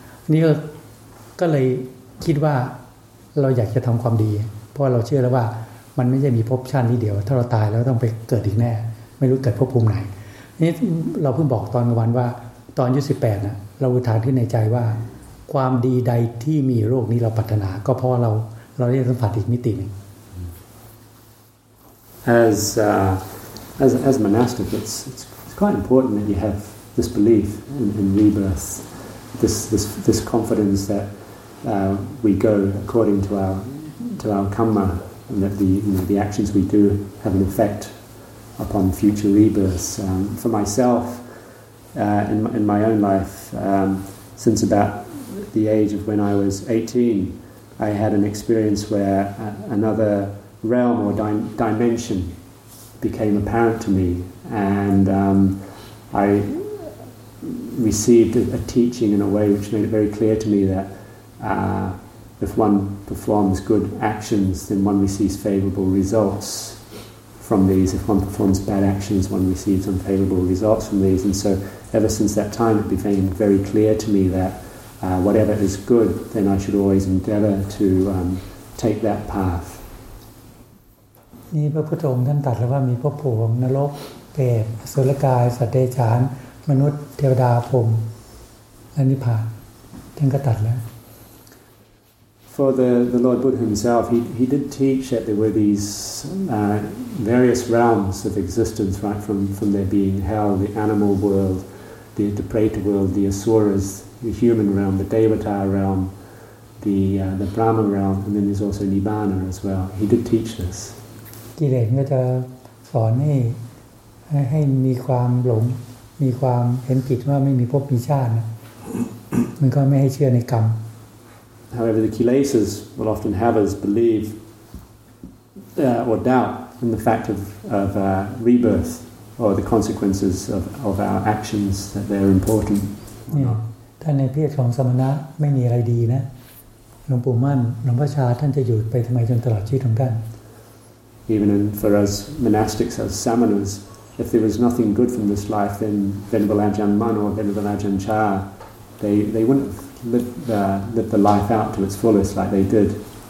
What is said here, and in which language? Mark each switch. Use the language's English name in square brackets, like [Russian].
[Thai] นี่ก็เลยคิดว่าเราอยากจะทำความดีเพราะเราเชื่อแล้วว่ามันไม่ใช่มีภพชาตินี้เดียวถ้าเราตายแล้วต้องไปเกิดอีกแน่ไม่รู้เกิดภพภูมิไหนนี่เราเพิ่งบอกตอนวันว่าตอนอายุ18น่ะเราอุทานขึ้นในใจว่าความดีใดที่มีโรคนี้เราปรารถนาก็เพราะเราได้สัมผัสอีกมิตินึง [English] As monastic it's quite important that you have this belief in rebirth this confidence thatwe go according to our karma, and that the actions we do have an effect upon future rebirths. For myself, in my own life, since about the age of when I was 18, I had an experience where another realm or dimension became apparent to me, and I received a teaching in a way which made it very clear to me that if one performs good actions, then one receives favorable results from these. If one performs bad actions, one receives unfavorable results from these. And so ever since that time, it became very clear to me that whatever is good, then I should always endeavor to take that path. [Thai] นี่พระพุทธองค์ท่านตรัสแล้วว่ามีภพภูมินรกเปรตอสุรกายสัตว์เดรัจฉานมนุษย์เทวดาพรหมและนิพพานท่านก็ตรัสแล้ว [English] For the Lord Buddha himself, he did teach that there were these various realms of existence, right, from there being hell, the animal world, the Preta world, the Asuras, the human realm, the Devata realm, the Brahma realm, and then there's also Nibbana as well. He did teach this. [Thai] กิเลสก็จะสอนให้มีความหลงมีความเห็นผิดว่าไม่มีภพมีชาติมันก็ไม่ให้เชื่อในกรรม [English] However, the kilesas will often have us believe or doubt in the fact of rebirth or the consequences of our actions that they're important. [Thai] ท่านในเพศของสมณะไม่มีอะไรดีนะหลวงปู่มั่นหลวงพ่อชาท่านจะอยู่ไปทำไมจนตลอดชีวิตของท่าน [English] Even in, for us monastics as samanas, if there was nothing good from this life, then Venerable Ajahn Mun or Venerable Ajahn Chah they wouldn't have lived the life out to its fullest like they did.